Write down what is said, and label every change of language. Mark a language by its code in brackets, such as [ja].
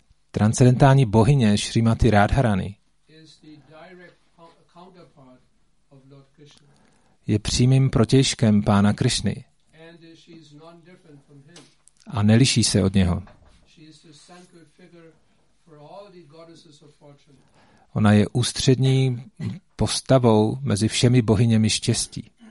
[cs] Transcendentální bohyně Srimati Radharani [en] is the direct counterpart of Lord Krishna. [cs] Je přímým protějškem pána Krishny. [en] And she is not different from him. [cs] A neliší se od něho. [en] She is the central figure for all the goddesses of fortune. [cs] Ona je ústřední postavou mezi všemi bohyněmi štěstí.